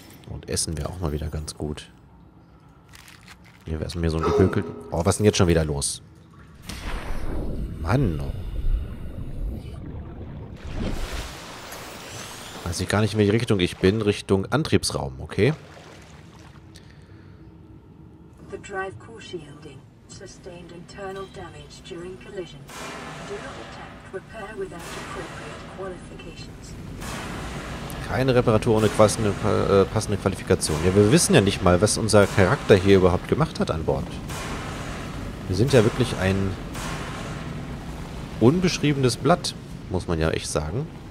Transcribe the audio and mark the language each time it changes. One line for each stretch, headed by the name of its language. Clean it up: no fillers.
German: Und essen wir auch mal wieder ganz gut. Hier wäre es mir so ein gepökelt. Oh, was ist denn jetzt schon wieder los? Mann. Oh. Weiß ich gar nicht, in welche Richtung ich bin. Richtung Antriebsraum, okay?
English: The drive core shielding sustained internal damage during collision. Do not attempt repair without appropriate qualifications.
German: Keine Reparatur ohne passende Qualifikation. Ja, wir wissen ja nicht mal, was unser Charakter hier überhaupt gemacht hat an Bord. Wir sind ja wirklich ein unbeschriebenes Blatt, muss man ja echt sagen.